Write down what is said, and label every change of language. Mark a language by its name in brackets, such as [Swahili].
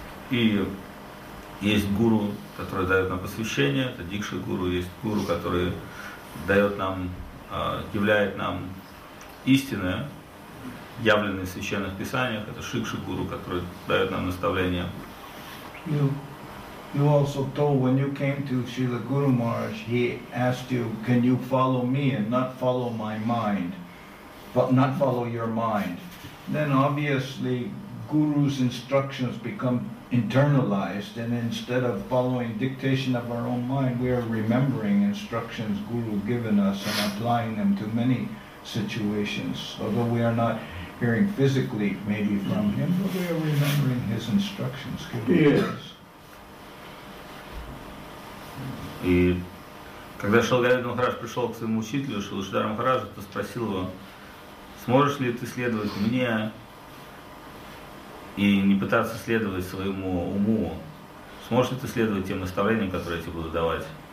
[Russian] И есть гуру, который дает нам посвящение, это дикша гуру, есть гуру, который дает нам, являет нам истины, явленные в священных писаниях, это шикша гуру, который дает нам наставление. [English] You also told when you came to Srila Guru Maharaj, he asked you, can you follow me and not follow my mind, but not follow your mind? Then obviously Guru's instructions become internalized, and instead of following dictation of our own mind, we are remembering instructions Guru given us and applying them to many situations. Although we are not hearing physically maybe from him, but we are remembering his instructions given us. [Russian] И когда Шалгавит Махарадж пришел к своему учителю, Шрила Шридхара Махараджа, то спросил его, сможешь ли ты следовать мне и не пытаться следовать своему уму, сможешь ли ты следовать тем наставлениям, которые я тебе буду давать?